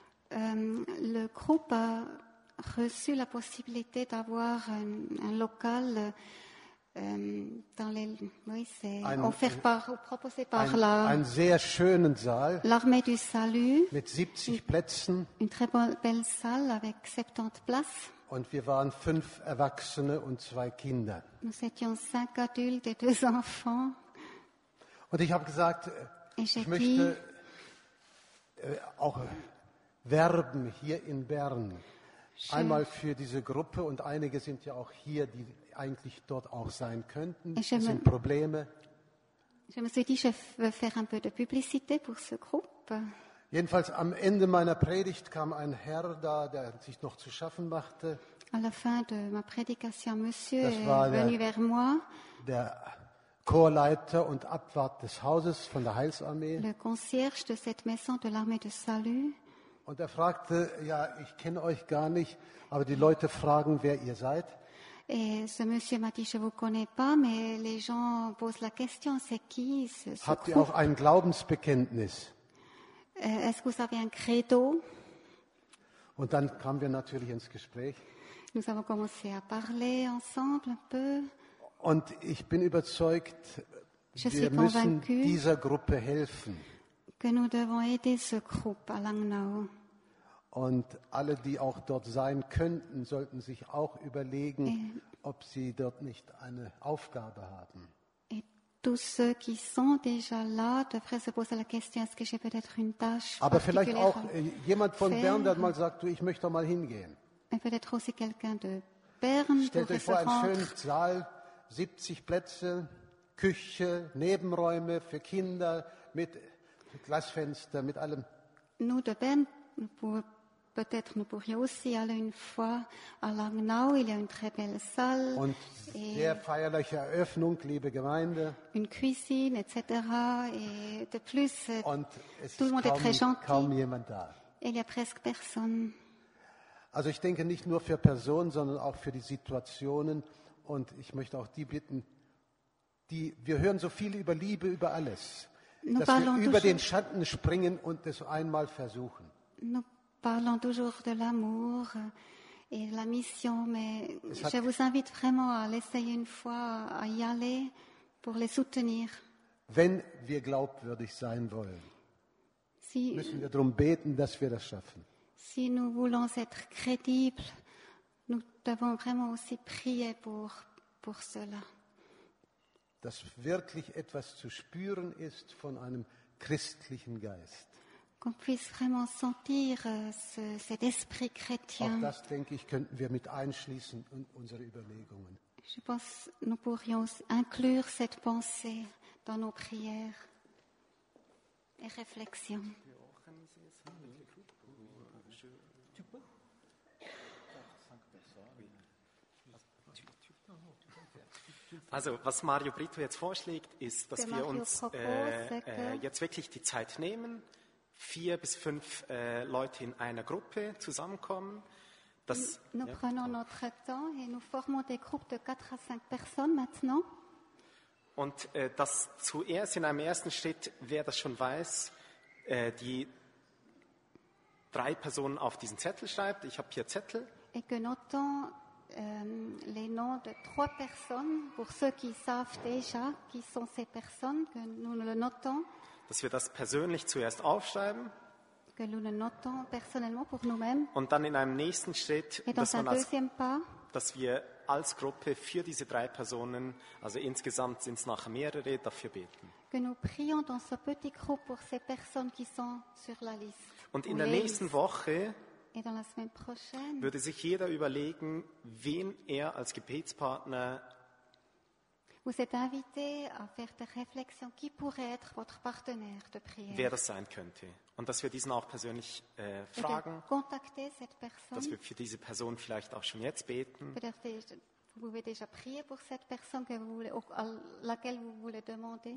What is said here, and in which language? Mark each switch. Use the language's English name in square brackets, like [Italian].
[French] Le groupe a reçu la possibilité d'avoir un local dans les. Oui, c'est [German] ein, [French] offert par, proposé par ein, la. [German] Ein sehr schönen Saal. [French] L'armée du salut. [German] Mit 70 Plätzen. [French] Une très belle salle avec 70 places. [German] Und wir waren 5 Erwachsene und 2 Kinder. [French] Nous étions 5 adultes et 2 enfants. [German] Und ich habe gesagt, ich möchte auch werben hier in Bern. Einmal für diese Gruppe und einige sind ja auch hier, die eigentlich dort auch sein könnten. Es sind Probleme. [French] Je me suis dit, je veux faire un peu de publicité pour ce groupe. [German] Jedenfalls am Ende meiner Predigt kam ein Herr da, der sich noch zu schaffen machte. [French] À la fin de ma prédication, monsieur est venu vers moi. [German] Der Chorleiter und Abwart des Hauses von der Heilsarmee. [French] Le concierge de cette maison de l'armée de salut. [German] Und er fragte, ja, ich kenne euch gar nicht, aber die Leute fragen, wer ihr seid. [French] Et ce monsieur m'a dit, je vous connais pas, mais les gens posent la question, c'est qui ce groupe? [German] Habt ihr auch ein Glaubensbekenntnis? [French] Est-ce que vous avez un credo? [German] Und dann kamen wir natürlich ins Gespräch. [French] Nous avons commencé à parler ensemble un peu. [German] Und ich bin überzeugt, wir müssen dieser Gruppe helfen. [French] Que nous devons aider ce groupe à Langnau. [German] Und alle, die auch dort sein könnten, sollten sich auch überlegen, ob sie dort nicht eine Aufgabe haben. [French] Et tous ceux qui sont déjà là devraient se poser la question, est-ce que j'ai peut-être une tâche particulière? [German] Aber vielleicht auch jemand von Bern, der mal sagt, du, ich möchte doch mal hingehen. [French] Et peut-être aussi quelqu'un de Bern. [German] Stellt euch vor, einen schönen Saal, 70 Plätze, Küche, Nebenräume für Kinder mit Glasfenster, mit allem. [French] Nous de Bern, peut-être nous pourrions aussi aller une fois à Langnau, il y a une très belle salle. [German] Und sehr feierliche Eröffnung, liebe Gemeinde. [French] Une cuisine, etc. Et de plus, [German] und es [French] tout le monde [German] kaum, [French] est très gentil. [German] Kaum jemand da. [French] Il y a presque personne. [German] Also ich denke nicht nur für Personen, sondern auch für die Situationen. Und ich möchte auch die bitten, die wir hören so viel über Liebe, über alles, [French] nous [German] dass wir über den Schatten springen und es einmal versuchen. [French] Nous parlons toujours de l'amour et la mission, mais je vous invite vraiment à l'essayer une fois, à y aller pour les soutenir. [German] Wenn wir glaubwürdig sein wollen, [French] si, [German] müssen wir darum beten, dass wir das schaffen. [French] Si nous voulons être crédibles, nous devons vraiment aussi prier pour cela. [German] Dass wirklich etwas zu spüren ist von einem christlichen Geist. [French] Qu'on puisse vraiment sentir cet esprit chrétien. [German] Auch das, denke ich, könnten wir mit einschließen in unsere Überlegungen. [French] Je pense que nous pourrions inclure cette pensée dans nos prières. et réflexion. [German] Also, was Mario Brito jetzt vorschlägt, ist, dass wir uns jetzt wirklich die Zeit nehmen, 4 bis 5 Leute in einer Gruppe zusammenkommen. Dass, [French] nous prenons notre temps et nous formons des groupes de 4 à 5 personnes maintenant. [German] Und dass zuerst in einem ersten Schritt, wer das schon weiß, die 3 Personen auf diesen Zettel schreibt. Ich habe hier Zettel. [French] Et que notons les noms de 3 personnes pour ceux qui savent déjà qui sont ces personnes que nous le notons. [German] Dass wir das persönlich zuerst aufschreiben. [French] Que nous le notons personnellement pour nous-mêmes. [German] Und dann in einem nächsten Schritt, dass wir als Gruppe für diese 3 Personen, also insgesamt sind es nachher mehrere, dafür beten. Que nous prions dans ce petit groupe pour ces personnes qui sont sur la liste. Und in der nächsten Woche [French] et dans la semaine prochaine, [German] würde sich jeder überlegen, wen er als Gebetspartner. [French] Vous êtes invité à faire des réflexions. Qui pourrait être votre partenaire de prière? [German] Wer das sein könnte. Und dass wir diesen auch persönlich fragen. [French] Contacter cette personne. [German] Dass wir für diese Person vielleicht auch schon jetzt beten. [French] Vous pouvez déjà prier pour cette personne que vous voulez, à laquelle vous voulez demander.